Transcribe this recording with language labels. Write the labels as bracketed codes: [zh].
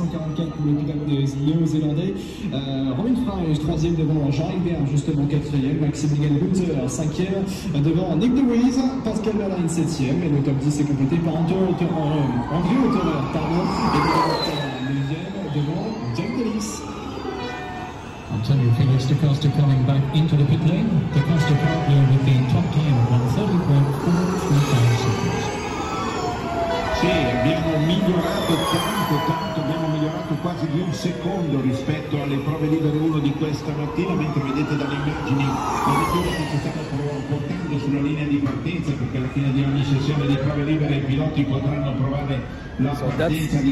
[fr] Robin Frey, 3e devant Jacques Berg, justement 4e, Maxime Ligan-Gunther, 5e, devant Nick De Vries, Pascal Wehrlein, 7e, et le top 10 est complété par André Hauteur, et le 9e devant Jack Delis. [en] Antonio Felix de Costa coming back into the pit lane. De Costa currently with the top time on 30.435 seconds. [it] Abbiamo migliorato tanto, abbiamo migliorato quasi di un secondo rispetto alle prove libere 1 di questa mattina, mentre vedete dalle immagini la vettura che ci stava portando sulla linea di partenza, perché alla fine di ogni sessione di prove libere I piloti potranno provare la partenza di